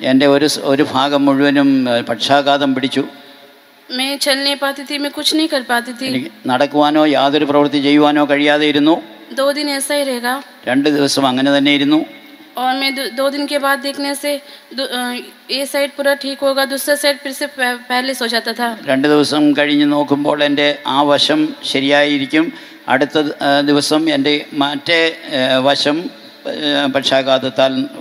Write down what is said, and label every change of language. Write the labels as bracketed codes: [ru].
[ml] എന്റെ ഒരു ഒരു ഭാഗം മുഴുവനും പക്ഷാഘാതം പിടിച്ചു [hi] मैं चल नहीं पाती थी मैं कुछ नहीं कर पाती थी [ml] നടക്കുവാനോ യാതൊരു പ്രവൃത്തി ചെയ്യുവാനോ കഴിയാതെ ഇരുന്നു [hi] दो दिन ऐसा ही रहेगा [ml] രണ്ട് ദിവസം അങ്ങനെ തന്നെ ഇരുന്നു [hi] और मैं दो दिन के बाद देखने से ये साइड पूरा ठीक होगा दूसरा साइड फिर से पैरलेस हो जाता था [ml] രണ്ട് ദിവസം കഴിഞ്ഞു നോക്കുമ്പോൾ എന്റെ ആ വശം ശരിയായിരിക്കും അടുത്ത ദിവസം എന്റെ മറ്റേ വശം പക്ഷാഘാതത്താൽ